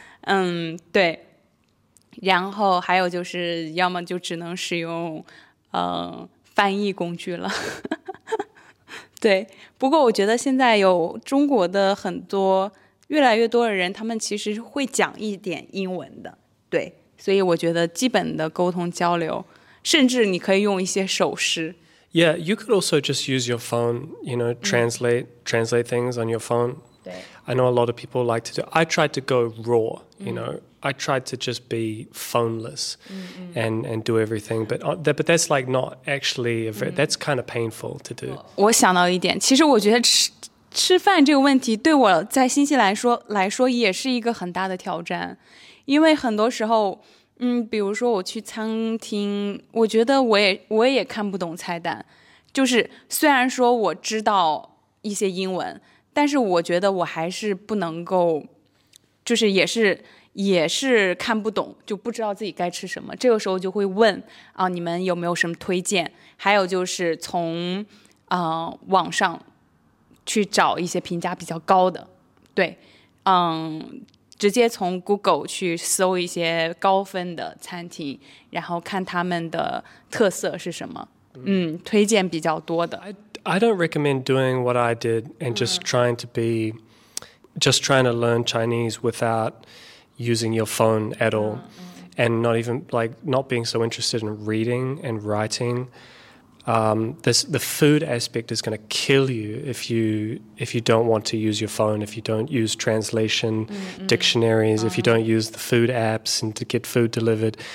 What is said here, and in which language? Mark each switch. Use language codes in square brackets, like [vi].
[zh] 嗯，对。然后还有就是要么就只能使用翻译工具了。对，不过我觉得现在有中国的很多越来越多的人，他们其实会讲一点英文的，对，所以我觉得基本的沟通交流，甚至你可以用一些手势。 [en] Yeah, you could also just use your phone, you know, translate things on your phone. [zh] 对。 [en] I know a lot of people like to do. I tried to go raw, you know. I tried to just be phoneless and do everything, but that's like not actually a very, that's kind of painful to do. [zh] 我想到一点，其实我觉得吃饭这个问题对我在新西兰来说也是一个很大的挑战，因为很多时候，比如说我去餐厅，我觉得我也看不懂菜单，就是虽然说我知道一些英文，但是我觉得我还是不能够，就是也是看不懂，就不知道自己该吃什么。这个时候就会问啊，你们有没有什么推荐？还有就是从网上去找一些评价比较高的，对，直接从 Google 去搜一些高分的餐厅，然后看他们的特色是什么，推荐比较多的。 [en] I don't recommend doing what I did and just trying to learn Chinese without using your phone at all, and not even like not being so interested in reading and writing. The food aspect is going to kill you if you don't want to use your phone, if you don't use translation dictionaries, if you don't use the food apps and to get food delivered.